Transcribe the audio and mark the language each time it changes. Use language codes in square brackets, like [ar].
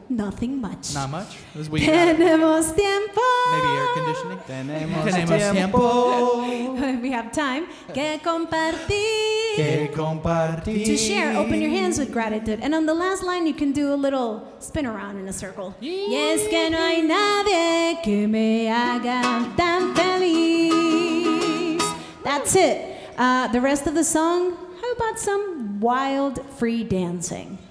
[en] Nothing much. Not much? [es] Tenemos tiempo. [en] Maybe air conditioning. [es] Tenemos tiempo. [en] We have time. [es] ¿Qué compartir? ¿Qué compartir? [en] To share, open your hands with gratitude. And on the last line, you can do a little spin around in a circle. [es] Y es que no hay nadie que me haga tan feliz. [en] That's it. The rest of the song, how about some wild free dancing?